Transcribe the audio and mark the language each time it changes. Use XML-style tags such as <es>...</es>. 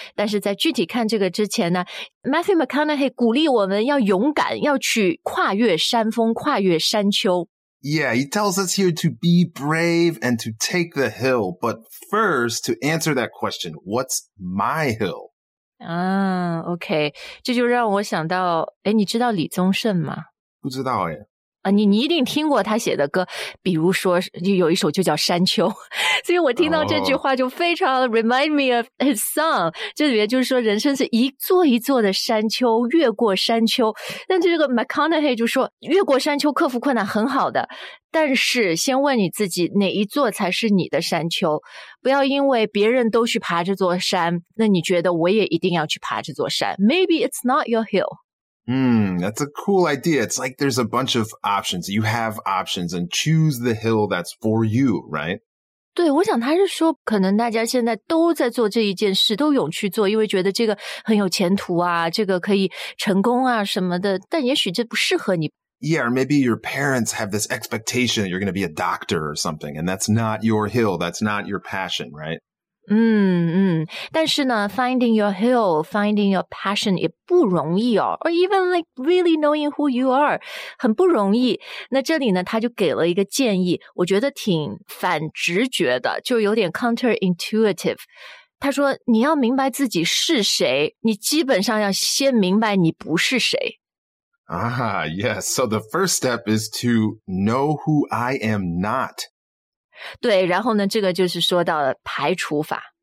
<zh>但是在具体看这个之前呢， Matthew McConaughey 鼓励我们要勇敢，要去跨越山峰，跨越山丘。</zh> <en>Yeah, he tells us here to be brave and to take the hill. But first, to answer that question, what's my hill?</en> <zh>OK, 这就让我想到，诶，你知道李宗盛吗？不知道耶。你一定听过他写的歌，比如说有一首就叫《山丘》，所以我听到这句话就非常</zh> <en>remind me of his song。</en> <zh>这里面就是说，人生是一座一座的山丘，越过山丘。但这个 McConaughey 就说，越过山丘克服困难很好的，但是先问你自己，哪一座才是你的山丘？不要因为别人都去爬这座山，那你觉得我也一定要去爬这座山 ？</zh> <en>Maybe it's not your hill。 That's a cool idea. It's like there's a bunch of options. You have options and choose the hill that's for you, right?</en> <zh>对，我想他是说可能大家现在都在做这一件事，都涌去做，因为觉得这个很有前途啊，这个可以成功啊什么的，但也许这不适合你。</zh> <en>Yeah, or maybe your parents have this expectation that you're going to be a doctor or something, and that's not your hill, that's not your passion, right?</en> <zh>但是呢</zh> <en>finding your hill, finding your passion</en> <zh>也不容易哦</zh> <en>or even like really knowing who you are,</en> <zh>很不容易。那这里呢他就给了一个建议，我觉得挺反直觉的，就有点</zh> <en>counterintuitive。</en> <zh>他说你要明白自己是谁，你基本上要先明白你不是谁。</zh> <en>Yes, so the first step is to know who I am not.</en> <zh>对，然后呢，这个就是说到了排除法。</zh>